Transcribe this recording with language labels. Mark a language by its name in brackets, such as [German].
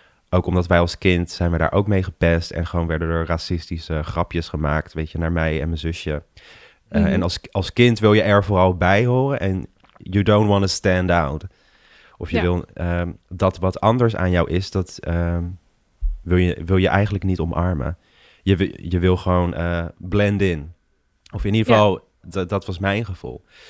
[Dutch] Ook omdat wij als kind zijn we daar ook mee gepest. En gewoon werden er racistische grapjes gemaakt, weet je, naar mij en mijn zusje. Mm-hmm. En als kind wil je er vooral bij horen. En [English] you don't want to stand out. [Dutch] Of je wil dat wat anders aan jou is, dat wil je eigenlijk niet omarmen. Je wil gewoon [English] blend in. [Dutch] Of in ieder geval, dat was mijn gevoel.